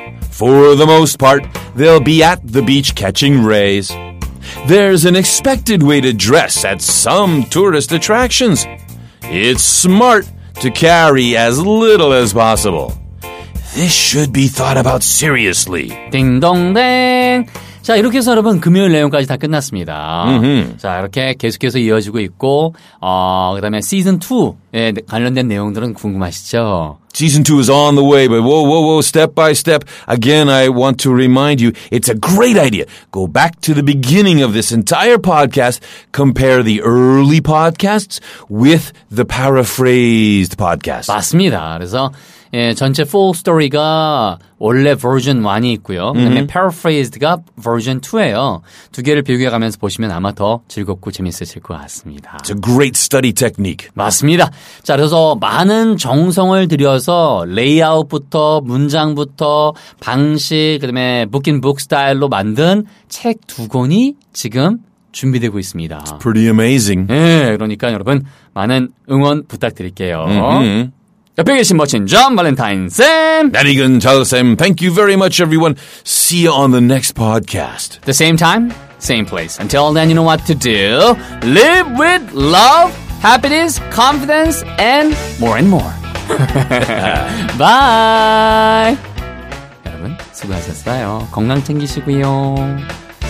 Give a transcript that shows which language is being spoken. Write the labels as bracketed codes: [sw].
[en] For the most part, they'll be at the beach catching rays. There's an expected way to dress at some tourist attractions. It's smart to carry as little as possible. This should be thought about seriously. Ding dong ding. [ko] 자, 이렇게 해서 여러분 금요일 내용까지 다 끝났습니다. 음흠. 자, 이렇게 계속해서 이어지고 있고, 그다음에 시즌2에 관련된 내용들은 궁금하시죠? [en] Season 2 is on the way, but whoa, whoa, whoa, step by step. Again, I want to remind you, it's a great idea. Go back to the beginning of this entire podcast. Compare the early podcasts with the paraphrased podcast. [ko] 맞습니다. 그래서 예, 전체 full story가 원래 version 1이 있고요. 그다음에 mm-hmm. paraphrased가 version 2예요. 두 개를 비교해가면서 보시면 아마 더 즐겁고 재밌으실 것 같습니다. [en] It's a great study technique. [ko] 맞습니다. 자, 그래서 많은 정성을 들여서 레이아웃부터 문장부터 방식 그다음에 book in book 스타일로 만든 책 두 권이 지금 준비되고 있습니다. [en] It's pretty amazing. [ko] 예, 그러니까 여러분 많은 응원 부탁드릴게요. Mm-hmm. 옆에 계신 멋진 존 발렌타인 쌤. 베리근 자우 쌤. [en] Thank you very much, everyone. See you on the next podcast. The same time, same place. Until then, you know what to do. Live with love, happiness, confidence, and more and more. [ko] Bye. 여러분, 수고하셨어요. 건강 챙기시고요.